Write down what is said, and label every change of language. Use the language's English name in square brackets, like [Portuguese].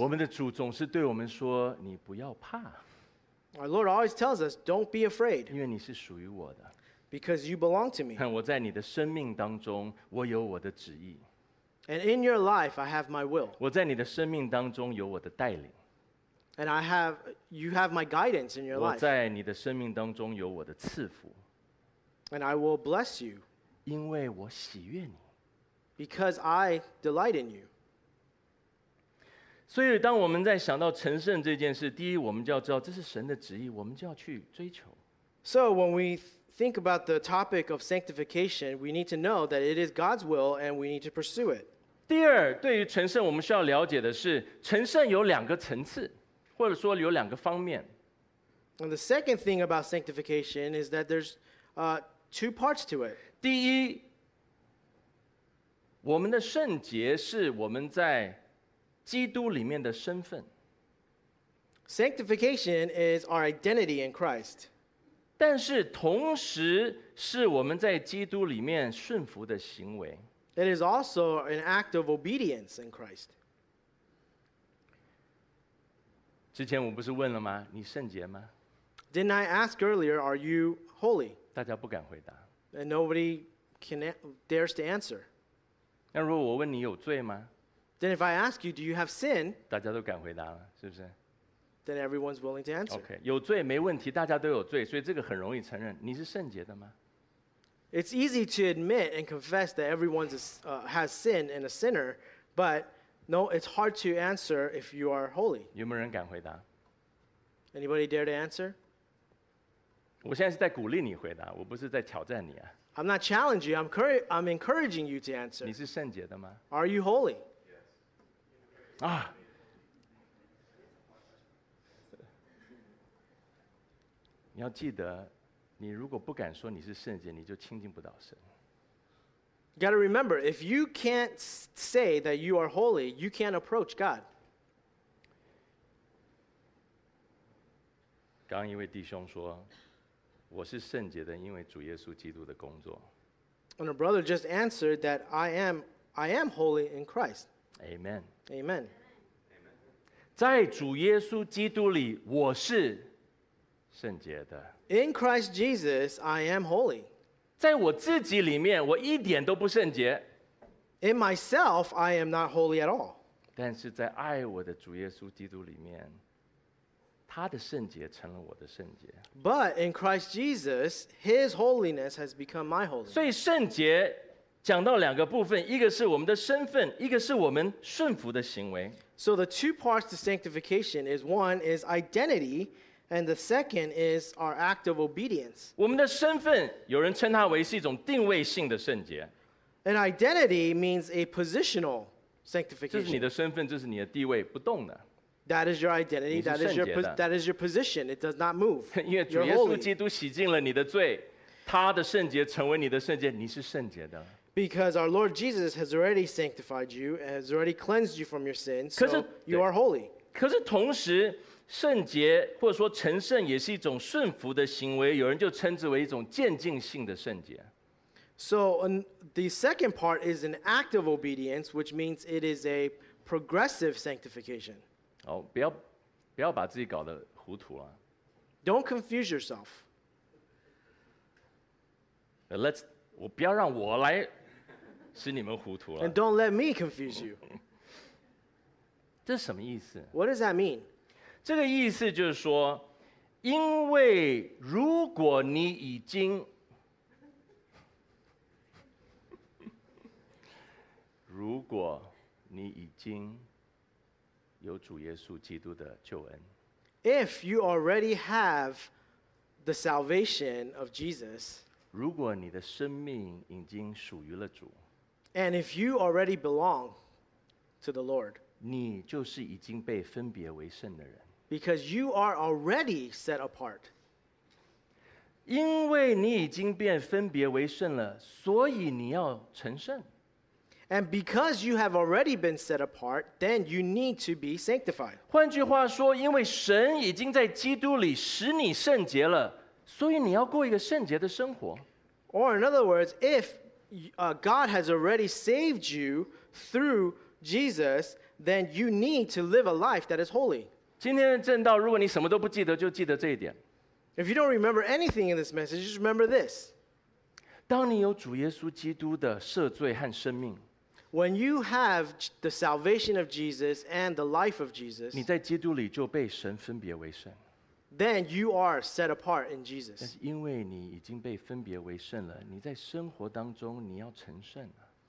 [Chinese] 我们的主总是对我们说，你不要怕。 [English] Our Lord always tells us, don't be afraid. [Chinese] 因为你是属于我的。 [English] Because you belong to me. [Chinese] 我在你的生命当中，我有我的旨意。 [English] And in your life, I have my will. [Chinese] 我在你的生命当中有我的带领。 [English] And you have my guidance in your life. [Chinese] 我在你的生命当中有我的赐福。 [English] And I will bless you. [Chinese] 因为我喜悦你。 [English] Because I delight in you. [Chinese] 所以当我们在想到成圣这件事，第一，我们就要知道这是神的旨意，我们就要去追求。 [English] So when we think about the topic of sanctification, we need to know that it is God's will and we need to pursue it. [Chinese] 第二，对于成圣我们需要了解的是，成圣有两个层次，或者说有两个方面。 [English] And the second thing about sanctification is that there's two parts to it. [Chinese] 第一，我们的圣洁是我们在基督里面的身份。 [English] Sanctification is our identity in Christ. [Chinese] 但是同时是我们在基督里面顺服的行为。 [English] It is also an act of obedience in Christ. [Chinese] 之前我不是问了吗？你圣洁吗？ [English] Didn't I ask earlier, are you holy? [Chinese] 大家不敢回答。 [English] And nobody dares to answer. [Chinese] 那如果我问你有罪吗？ [English] Then if I ask you, do you have sin? [Chinese] 大家都敢回答了，是不是？ [English] Then everyone's willing to answer. [Chinese] Okay, 有罪没问题，大家都有罪，所以这个很容易承认。你是圣洁的吗？ [English] It's easy to admit and confess that everyone has sin and a sinner, but no, it's hard to answer if you are holy. [Chinese] 有没有人敢回答？ [English] Anybody dare to answer? [Chinese] 我现在是在鼓励你回答，我不是在挑战你啊。 [English] I'm not challenging you. I'm encouraging you to answer. [Chinese] 你是圣洁的吗？ [English] Are you holy? Yes. 啊。 [Chinese] 你要记得，你如果不敢说你是圣洁，你就亲近不到神。 [English] You gotta remember, if you can't say that you are holy, you can't approach God. [Chinese] 刚一位弟兄说，我是圣洁的，因为主耶稣基督的工作。 [English] And a brother just answered that I am holy in Christ. Amen. Amen. [Chinese] 在主耶稣基督里，我是。圣洁的。 [English] In Christ Jesus, I am holy. [Chinese] 在我自己里面，我一点都不圣洁。 [English] In myself, I am not holy at all. [Chinese] 但是在爱我的主耶稣基督里面，他的圣洁成了我的圣洁。 [English] But in Christ Jesus, His holiness has become my holiness. [Chinese] 所以圣洁讲到两个部分，一个是我们的身份，一个是我们顺服的行为。 [English] So the two parts to sanctification is one is identity. And the second is our act of obedience. [Chinese] 我们的身份，有人称它为是一种定位性的圣洁。 [English] An identity means a positional sanctification. [Chinese] 这是你的身份，这是你的地位，不动的。 [English] That is your identity. [Chinese] 你是圣洁的。 [English] That is your position. It does not move. [Chinese] 因为主耶稣基督洗净了你的罪，他的圣洁成为你的圣洁，你是圣洁的。 [English] Because our Lord Jesus has already sanctified you, has already cleansed you from your sins, so you are holy. [Chinese] 可是同时。圣洁或者说成圣也是一种顺服的行为，有人就称之为一种渐进性的圣洁。 [English] So the second part is an act of obedience, which means it is a progressive sanctification. [Chinese] 哦，不要把自己搞得糊涂啊。 [English] Don't confuse yourself. [Chinese] Let's 我不要让我来使你们糊涂了。 [English] And don't let me confuse you. [Chinese] 这什么意思？ [English] What does that mean? [Chinese] 这个意思就是说，因为如果你已经，如果你已经有主耶稣基督的救恩 [English] ，If you already have the salvation of Jesus， [Chinese] 如果你的生命已经属于了主 [English] ，And if you already belong to the Lord， [Chinese] 你就是已经被分别为圣的人。 [English] Because you are already set apart. [Chinese] 因为你已经变分别为圣了，所以你要成圣。 [English] And because you have already been set apart, then you need to be sanctified. [Chinese] 换句话说，因为神已经在基督里使你圣洁了，所以你要过一个圣洁的生活。 [English] Or in other words, if God has already saved you through Jesus, then you need to live a life that is holy. [Chinese] 今天的正道，如果你什么都不记得，就记得这一点。 [English] If you don't remember anything in this message, just remember this. [Chinese] 当你有主耶稣基督的赦罪和生命 [English] ，When you have the salvation of Jesus and the life of Jesus, [Chinese] 你在基督里就被神分别为圣。 [English] Then you are set apart in Jesus. [Chinese] 但是因为你已经被分别为圣了，你在生活当中你要成圣了。